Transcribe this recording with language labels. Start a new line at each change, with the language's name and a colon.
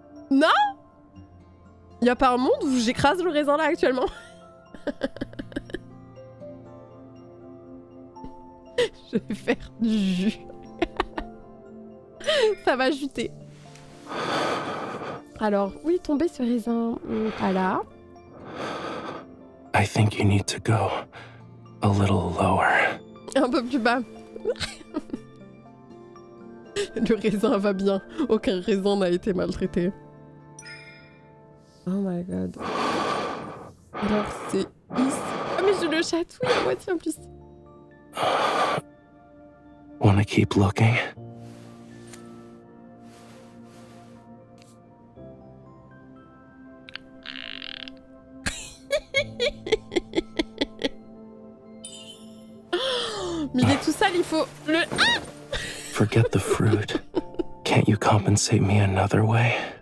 French: Non? Il y a pas un monde où j'écrase le raisin là actuellement. Je vais faire du jus. Ça va juter. Alors, où est tombé ce raisin? Pas là.
English: I think you need to go a little lower.
French: Un peu plus bas. Le raisin va bien. Aucun raisin n'a été maltraité.
English: Oh my god.
French: Alors c'est ici. Oh mais je le chatouille à moitié en plus.
English: Wanna keep looking?
French: Mais il est tout sale, il faut le... Ah!
English: Forget the fruit. Can't you compensate me another way?